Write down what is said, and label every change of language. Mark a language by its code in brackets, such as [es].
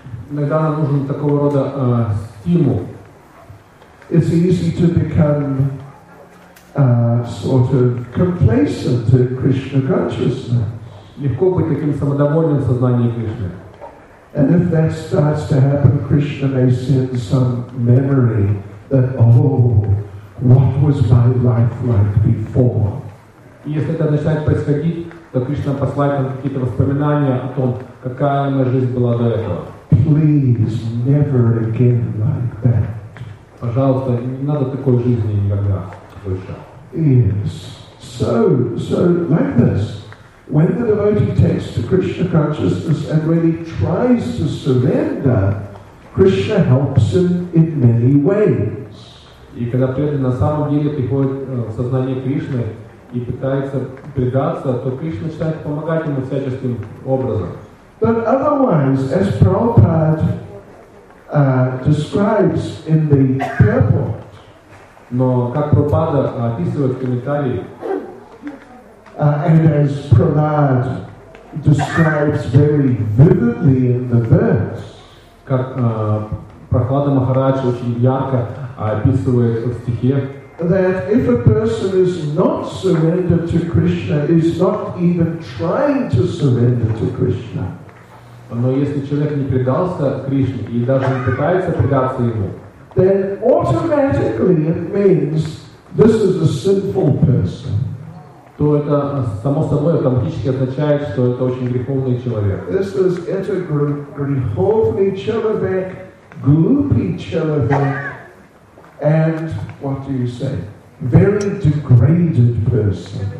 [ru] Иногда нам нужен такого рода стимул. [en] It's easy to become sort of complacent to Krishna consciousness. [ru] Легко быть таким самодовольным в сознании Кришны. [en] And if that starts to happen, Krishna may send some memory that, what was my life like before? [ru] И если это начинает происходить, то Кришна посылает нам какие-то воспоминания о том, какая моя жизнь была до этого. [en] Please never again like that. [ru] Пожалуйста, не надо такой жизни никогда больше. [en] Yes. So like this. When the devotee takes to Krishna consciousness and really tries to surrender, Krishna helps him in many ways. [ru] И когда преданный на самом деле приходит в сознание Кришны и пытается предаться, то Кришна начинает помогать ему всяческим образом. [en] But otherwise, as Prabhupada describes in the purport, [ru] но как Прабхупада описывает в комментарии, [en] and as Prahlad describes very vividly in the verse, [ru] как Прахлада Махарадж очень ярко описывает в стихе, [en] that if a person is not surrendered to Krishna, is not even trying to surrender to Krishna. [ru] Но если человек не предался Кришне и даже не пытается предаться ему, [en] then automatically it means this is a sinful person. [ru] То это само собой автоматически означает, что это очень греховный человек. [en] This is [ru] это греховный человек, глупый человек, [en] and what do you say? Very degraded person.